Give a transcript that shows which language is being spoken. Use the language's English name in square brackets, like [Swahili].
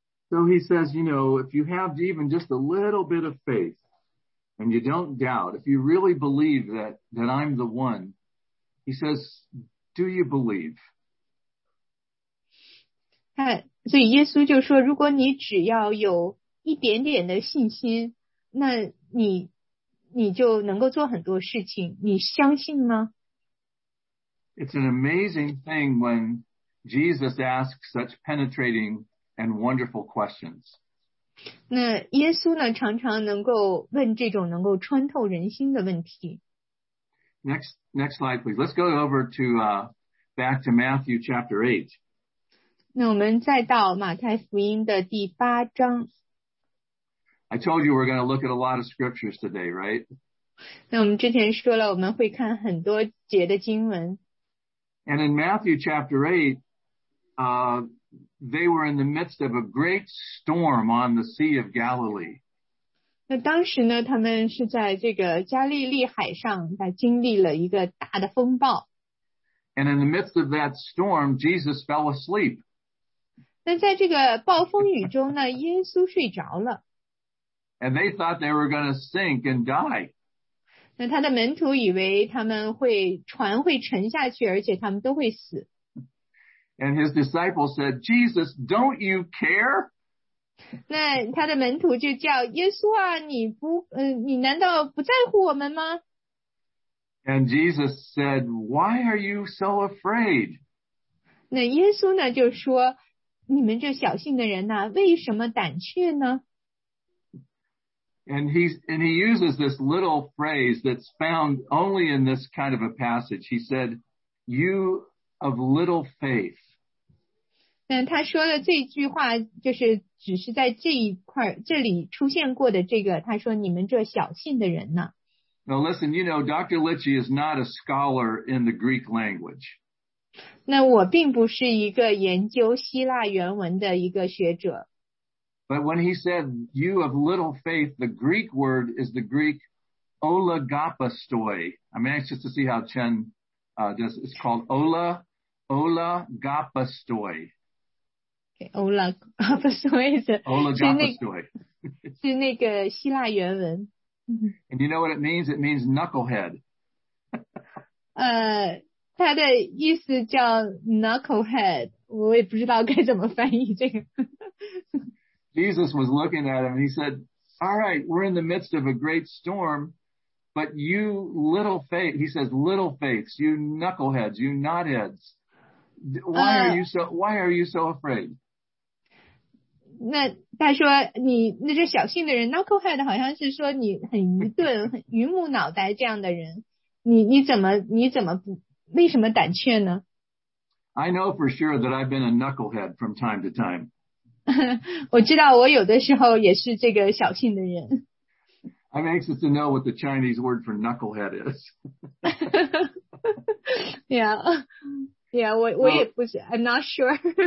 [English] So he says, you know, if you have even just a little bit of faith and you don't doubt, if you really believe that I'm the one, he says, do you believe? [Chinese] 所以耶稣就说，如果你只要有一点点的信心，那你就能够做很多事情，你相信吗？ [English] It's an amazing thing when Jesus asks such penetrating and wonderful questions. [Chinese] 那耶稣呢，常常能够问这种能够穿透人心的问题。 [English] Next slide, please. Let's go over to, back to Matthew chapter 8. [Chinese] 那我们再到马太福音的第八章。 [English] I told you we're going to look at a lot of scriptures today, right? [Chinese] 那我们之前说了我们会看很多节的经文。 [English] And in Matthew chapter 8, they were in the midst of a great storm on the Sea of Galilee. [Chinese] 那当时呢他们是在这个加利利海上经历了一个大的风暴。 [English] And in the midst of that storm, Jesus fell asleep. [Chinese] 那在这个暴风雨中呢耶稣睡着了。 [English] And they thought they were going to sink and die. [Chinese] 那他的门徒以为他们会船会沉下去而且他们都会死。 [English] And his disciples said, Jesus, don't you care? [Chinese] 那他的门徒就叫耶稣啊你难道不在乎我们吗？ [English] And Jesus said, why are you so afraid? [Chinese] 那耶稣呢就说你们这小信的人啊为什么胆怯呢？ [English] And he uses this little phrase that's found only in this kind of a passage. He said, you of little faith. [Chinese] 但他说的这句话就是只是在这一块这里出现过的这个他说你们这小信的人呢。 [English] Now listen, you know, Dr. Litchie is not a scholar in the Greek language. [Chinese] 那我并不是一个研究希腊原文的一个学者。 [English] But when he said, you of little faith, the Greek word is the Greek oligopastoi. I'm anxious to see how Chen does it. It's called oligopastoi. Okay, oligopastoi. Oligopastoi. [Chinese] 是那个希腊原文。 [English] And you know what it means? It means knucklehead. [Chinese] 它的意思叫 knucklehead. 我也不知道该怎么翻译这个。 [English] Jesus was looking at him and he said, all right, we're in the midst of a great storm, but you little faith, he says, little faiths, you knuckleheads, you knotheads, why are you so afraid? [Chinese] 那他说你那些小心的人 knucklehead 好像是说你很愚钝很愚木脑袋这样的人你怎么为什么胆怯呢? [English] I know for sure that I've been a knucklehead from time to time. [Chinese] 我知道我有的时候也是这个小信的人。 [English] I'm anxious to know what the Chinese word for knucklehead is. yeah, [Chinese] 我也不是 [English] I'm not sure.